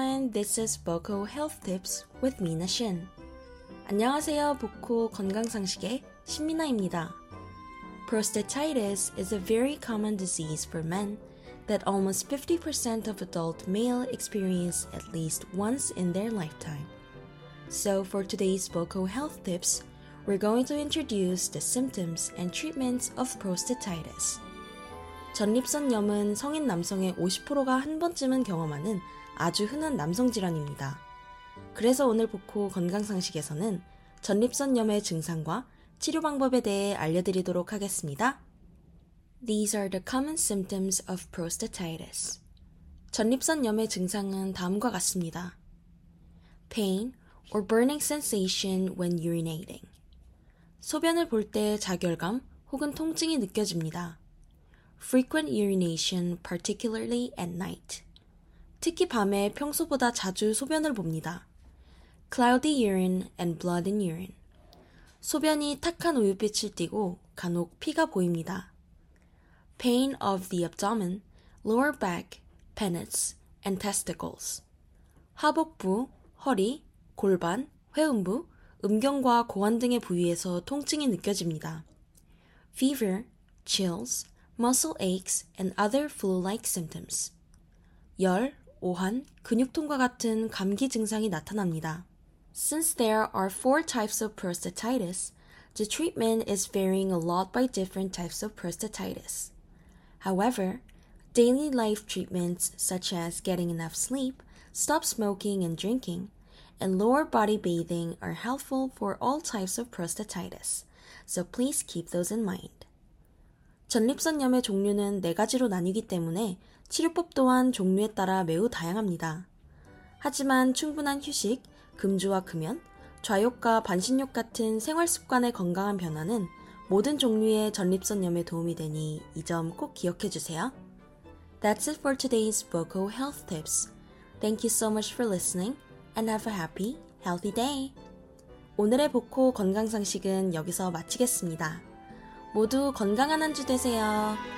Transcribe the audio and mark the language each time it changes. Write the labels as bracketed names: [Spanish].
[English] This is Boko Health Tips with Mina Shin. [Korean] 안녕하세요, 보코 건강상식의 신미나입니다. [English] Prostatitis is a very common disease for men that almost 50% of adult males experience at least once in their lifetime. So for today's Boko Health Tips, we're going to introduce the symptoms and treatments of prostatitis. [Korean] 전립선염은 성인 남성의 50%가 한 번쯤은 경험하는 아주 흔한 남성 질환입니다. 그래서 오늘 보코 건강상식에서는 전립선염의 증상과 치료 방법에 대해 알려드리도록 하겠습니다. [English] These are the common symptoms of prostatitis. [Korean] 전립선염의 증상은 다음과 같습니다. [English] Pain or burning sensation when urinating. [Korean] 소변을 볼 때 자결감 혹은 통증이 느껴집니다. [English] Frequent urination, particularly at night. [Korean] 특히 밤에 평소보다 자주 소변을 봅니다. [English] Cloudy urine and blood in urine. [Korean] 소변이 탁한 우윳빛을 띠고 간혹 피가 보입니다. [English] Pain of the abdomen, lower back, penis, and testicles. [Korean] 하복부, 허리, 골반, 회음부, 음경과 고환 등의 부위에서 통증이 느껴집니다. [English] Fever, chills, muscle aches, and other flu-like symptoms. [Korean] 열, 오한, 근육통과 같은 감기 증상이 나타납니다. [English] Since there are four types of prostatitis, the treatment is varying a lot by different types of prostatitis. However, daily life treatments such as getting enough sleep, stop smoking and drinking, and lower body bathing are helpful for all types of prostatitis. So please keep those in mind. [Korean] 전립선염의 종류는 네 가지로 나뉘기 때문에 치료법 또한 종류에 따라 매우 다양합니다. 하지만 충분한 휴식, 금주와 금연, 좌욕과 반신욕 같은 생활습관의 건강한 변화는 모든 종류의 전립선염에 도움이 되니 이 점 꼭 기억해 주세요. [English] That's it for today's Voco Health Tips. Thank you so much for listening and have a happy, healthy day. [Korean] 오늘의 보코 건강상식은 여기서 마치겠습니다. 모두 건강한 한 주 되세요.